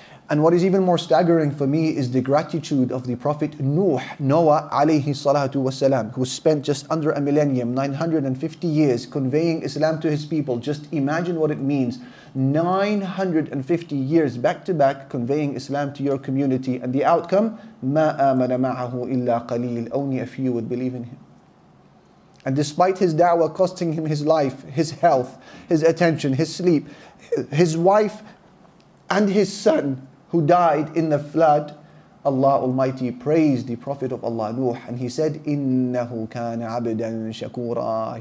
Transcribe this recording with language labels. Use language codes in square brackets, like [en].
[en] And what is even more staggering for me is the gratitude of the Prophet Noah alayhi salatu wasalam, who spent just under a millennium, 950 years, conveying Islam to his people. Just imagine what it means. 950 years back to back conveying Islam to your community. And the outcome, [ar] مَا آمَنَ مَعَهُ إِلَّا قَلِيلٌ. [en] Only a few would believe in him. And despite his da'wah costing him his life, his health, his attention, his sleep, his wife and his son, who died in the flood, Allah Almighty praised the Prophet of Allah, Nuh, and he said, [ar] إِنَّهُ كَانَ عَبْدًا شَكُورًا.